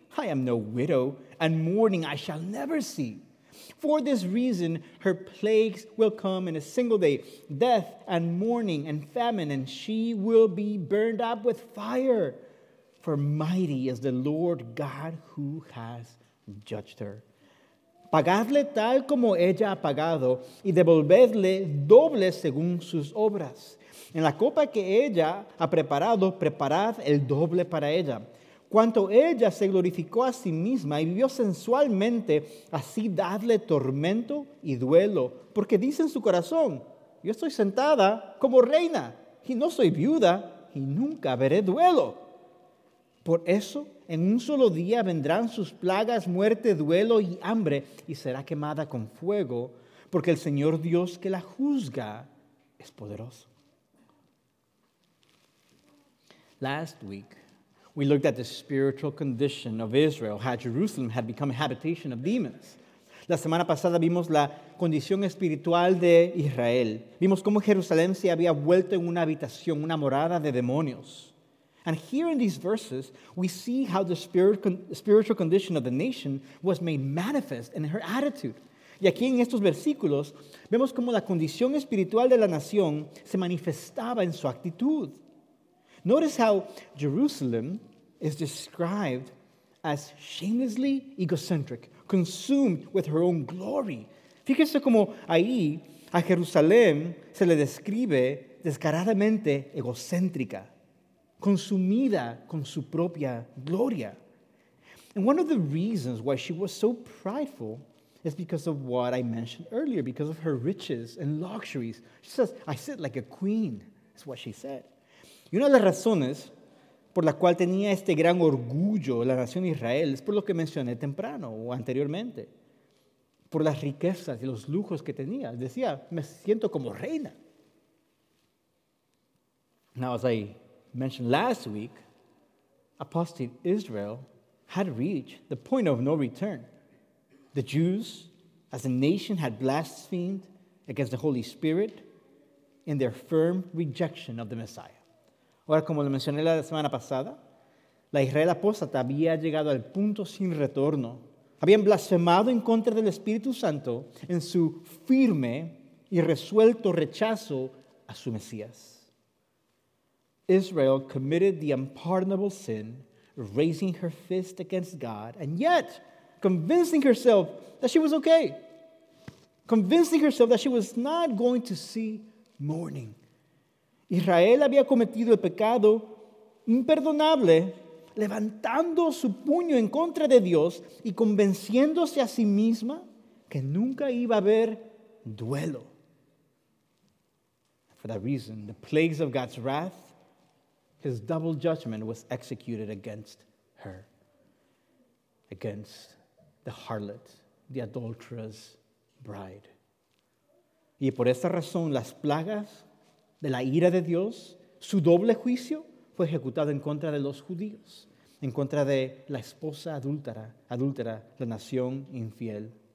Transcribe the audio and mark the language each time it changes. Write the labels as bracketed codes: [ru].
[en] I am no widow, and mourning I shall never see. For this reason, her plagues will come in a single day, death and mourning and famine, and she will be burned up with fire. For mighty is the Lord God who has judged her. [es] Pagadle tal como ella ha pagado, y devolvedle doble según sus obras. En la copa que ella ha preparado, preparad el doble para ella. Cuanto ella se glorificó a sí misma y vivió sensualmente, así dadle tormento y duelo, porque dice en su corazón, yo estoy sentada como reina, y no soy viuda, y nunca veré duelo. Por eso, en un solo día vendrán sus plagas, muerte, duelo y hambre, y será quemada con fuego, porque el Señor Dios que la juzga es poderoso. [en] Last week, we looked at the spiritual condition of Israel, how Jerusalem had become a habitation of demons. [es] La semana pasada vimos la condición espiritual de Israel. Vimos cómo Jerusalén se había vuelto en una habitación, una morada de demonios. [en] And here in these verses, we see how the spiritual condition of the nation was made manifest in her attitude. [es] Y aquí en estos versículos, vemos cómo la condición espiritual de la nación se manifestaba en su actitud. [en] Notice how Jerusalem is described as shamelessly egocentric, consumed with her own glory. [es] Fíjese cómo ahí a Jerusalén se le describe descaradamente egocéntrica, consumida con su propia gloria. [en] And one of the reasons why she was so prideful is because of what I mentioned earlier, because of her riches and luxuries. She says, I sit like a queen, is what she said. [es] Y una de las razones por la cual tenía este gran orgullo la nación de Israel es por lo que mencioné temprano o anteriormente, por las riquezas y los lujos que tenía. Decía, me siento como reina. [en] Now, as I mentioned last week, apostate Israel had reached the point of no return. The Jews, as a nation, had blasphemed against the Holy Spirit in their firm rejection of the Messiah. [es] Ahora, como le mencioné la semana pasada, la Israel apóstata había llegado al punto sin retorno. Habían blasfemado en contra del Espíritu Santo en su firme y resuelto rechazo a su Mesías. [en] Israel committed the unpardonable sin, raising her fist against God, and yet convincing herself that she was okay. Convincing herself that she was not going to see mourning. [es] Israel había cometido el pecado imperdonable, levantando su puño en contra de Dios y convenciéndose a sí misma que nunca iba a haber duelo. [en] For that reason, the plagues of God's wrath, his double judgment was executed against her, against the harlot, the adulterous bride. [es] Y por esta razón, las plagas de la ira de Dios, su doble juicio fue ejecutado en contra de los judíos, en contra de la esposa adúltera, la nación infiel.